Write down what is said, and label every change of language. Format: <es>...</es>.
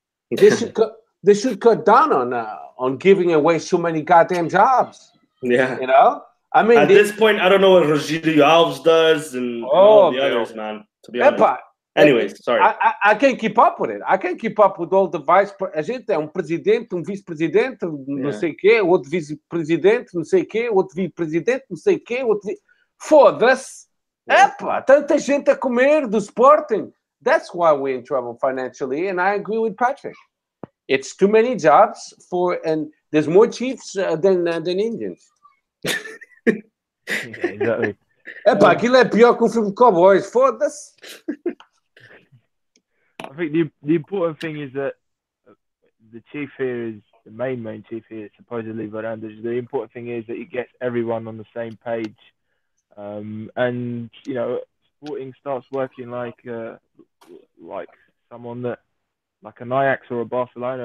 <en>They should cut down on giving away so many goddamn jobs. Yeah, you know. I mean, at this point, I don't know what Rogério Alves does and all the others, man. To be honest. I can't keep up with it. I can't keep up with all the vice presidents.</en> <pt>A gente é presidente, vice-presidente, yeah. Não sei o quê, outro vice-presidente, não sei o quê, outro vice-presidente, não sei o quê, outro... Foda-se! Yeah. Epa, tanta gente a comer do Sporting.</pt> <en>That's why we're in trouble financially, and I agree with Patrick. It's too many jobs for... And there's more chiefs than Indians. Exactly.</en> <pt>Epa, aquilo é pior que o filme Cowboys. Foda-se!</pt> <en>I think the important thing is that the chief here is the main chief here, supposedly Varandas. The important thing is that he gets everyone on the same page. And, you know, Sporting starts working like an Ajax or a Barcelona.</en>